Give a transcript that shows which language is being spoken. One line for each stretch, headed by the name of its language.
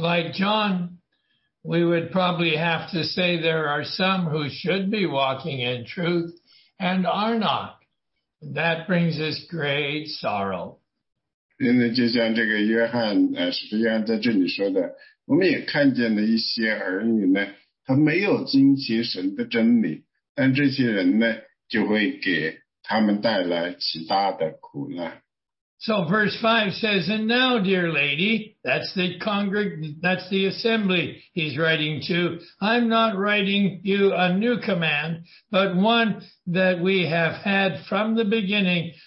English: like John, we would probably have to say there are some who should be walking in truth and are not. That brings us great sorrow.
Chinese: 因为就像这个约翰，使徒约翰在这里说的，我们也看见了一些儿女呢。他没有遵循神的真理，但这些人呢，就会给他们带来极大的苦难。
English: So verse 5 says, and now, dear lady, that's the that's the assembly he's writing to. I'm not writing you a new command, but one that we have had from the beginning.